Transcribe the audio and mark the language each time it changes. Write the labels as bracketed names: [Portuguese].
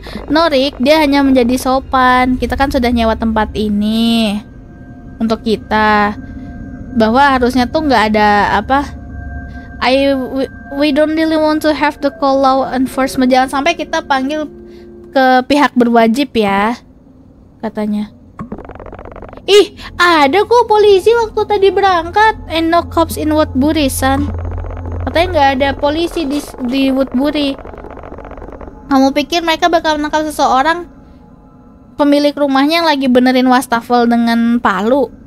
[Indonesian] No, Rick, dia hanya menjadi sopan. Kita kan sudah nyewa tempat ini untuk kita. Bahwa harusnya tuh gak ada apa. [English] We don't really want to have the call law enforcement. [Indonesian] Jangan sampai kita panggil ke pihak berwajib ya, katanya. Ih, ada kok polisi waktu tadi berangkat. [English] And no cops in Woodbury, son. [Indonesian] Katanya gak ada polisi di Woodbury. Kamu pikir mereka bakal menangkap seseorang pemilik rumahnya yang lagi benerin wastafel dengan palu?